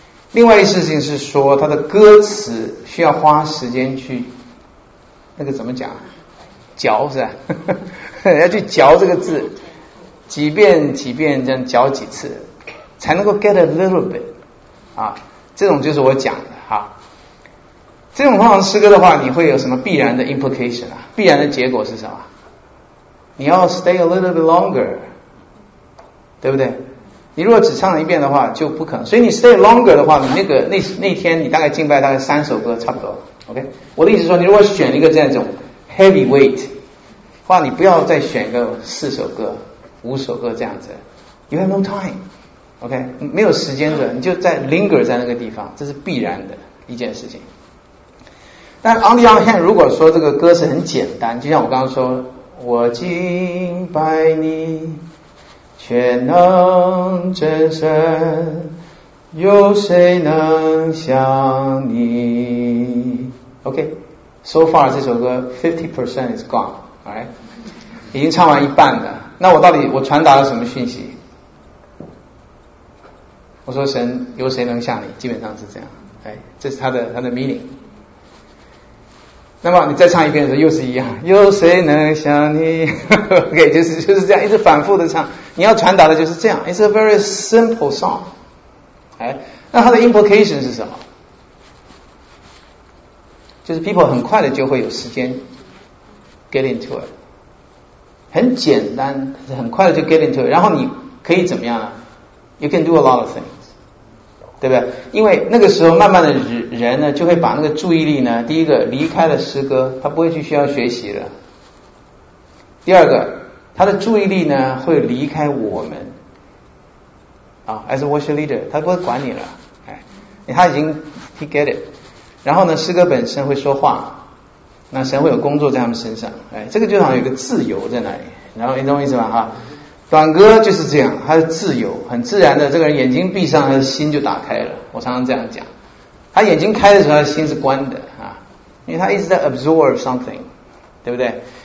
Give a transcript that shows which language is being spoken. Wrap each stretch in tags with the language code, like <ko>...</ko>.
<zh>另外一事情是说它的歌词需要花时间去那个怎么讲，嚼是吧？要去嚼这个字，几遍几遍这样嚼几次，才能够</zh> <en>get a little bit</en> <zh>啊，这种就是我讲的哈。这种方法诗歌的话，你会有什么必然的 implication 啊？必然的结果是什么？你要</zh> <en>stay a little bit longer，</en> <zh>对不对？你如果只唱了一遍的话，就不可能。所以你 stay longer 的话，你那个那天你大概敬拜大概三首歌差不多。 OK， 我的意思说，你如果选一个这样一种 heavyweight 话，你不要再选个四首歌、五首歌这样子。</zh> <en>You have no time，</en> <zh>OK， 没有时间的，你就在 linger 在那个地方，这是必然的一件事情。但 on the other hand， 如果说这个歌词很简单，就像我刚刚说，我敬拜你，全能真神，有谁能像你？</zh> <en>OK， so far</en> <zh>这首歌</zh> <en>50% is gone， all right，</en> <zh>已经唱完一半了。那我到底传达了什么讯息？我说神有谁能像你，基本上是这样，哎，这是它的 meaning。那么你再唱一遍的时候又是一样，有谁能像你OK， 就是这样一直反复的唱，你要传达的就是这样。</zh> <en>It's a very simple song、哎、</en> <zh>那它的</zh> <en>implication</en> <zh>是什么？就是 people 很快的就会有时间 get into it， 很简单，很快的就 get into it， 然后你可以怎么样呢？</zh> <en>You can do a lot of things，</en> <zh>对不对？因为那个时候慢慢的人呢，就会把那个注意力呢，第一个离开了诗歌，他不会去需要学习了。第二个，他的注意力呢会离开我们。啊 ，</zh> <en>as a worship leader，</en> <zh>他不会管你了，哎，他已经</zh> <en>he get it。</en> <zh>然后呢，诗歌本身会说话，那神会有工作在他们身上，哎，这个就好像有个自由在那里，然后你懂我意思吧？哈。短歌就是这样，他的自由很自然的，这个人眼睛闭上他的心就打开了。我常常这样讲，他眼睛开的时候他的心是关的啊，因为他一直在 absorb something， 对不对？</zh>